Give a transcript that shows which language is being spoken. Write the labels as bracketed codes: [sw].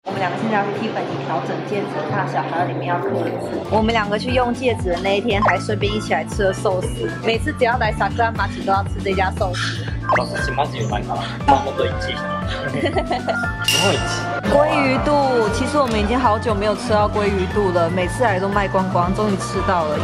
[zh] 们两个现在要去 Tiffany 调整戒指，看小孩里面要刻什么。我们两个去用戒指的那一天，还顺便一起来吃了寿司。每次只要来 Sakuramachi 都要吃这家寿司。 [ja] 寿司マジうまいから。もっといち。 [zh] 鲑鱼肚，其实我们已经好久没有吃到鲑鱼肚了，每次来都卖光光，终于吃到了。